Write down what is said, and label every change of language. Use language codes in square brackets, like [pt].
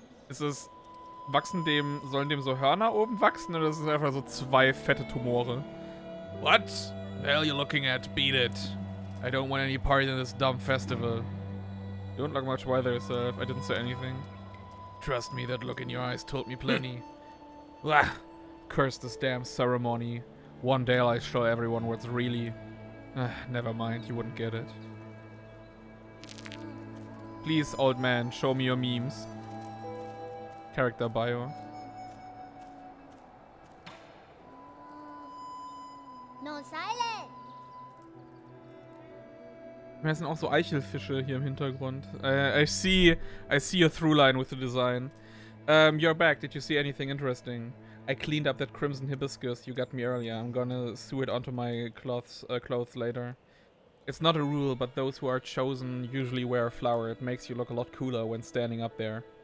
[de] Sollen dem so Hörner oben wachsen oder sind es einfach so zwei fette Tumore? [en] What the hell you looking at? Beat it. I don't want any part in this dumb festival. You don't look much wiser yourself. I didn't say anything. Trust me, that look in your eyes told me plenty. Blah. Curse this damn ceremony. One day I'll show everyone what's really... never mind, you wouldn't get it. Please, old man, show me your memes. Character bio. No silent! [de] Wir sind auch so Eichelfische hier im Hintergrund. [en] I see a through line with the design. You're back, did you see anything interesting? I cleaned up that crimson hibiscus you got me earlier. I'm gonna sew it onto my clothes later. It's not a rule, but those who are chosen usually wear a flower. It makes you look a lot cooler when standing up there.